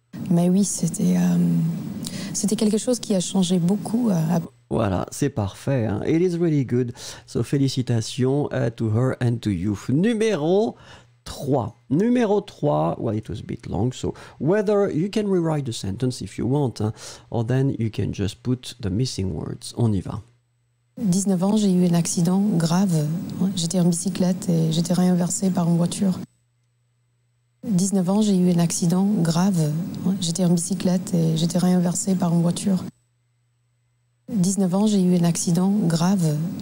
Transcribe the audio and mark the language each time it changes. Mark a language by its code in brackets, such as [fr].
[fr] Mais oui, c'était quelque chose qui a changé beaucoup. Voilà, c'est parfait. Hein? [en] It is really good. So, félicitations to her and to you. Numéro 3. Numéro 3, well, it was a bit long, so whether you can rewrite the sentence if you want, or then you can just put the missing words. [fr] On y va. 19 ans, j'ai eu un accident grave. J'étais en bicyclette et j'étais renversé par une voiture. 19 ans, j'ai eu un accident grave. J'étais en bicyclette et j'étais renversé par une voiture. 19 ans, j'ai eu un accident grave.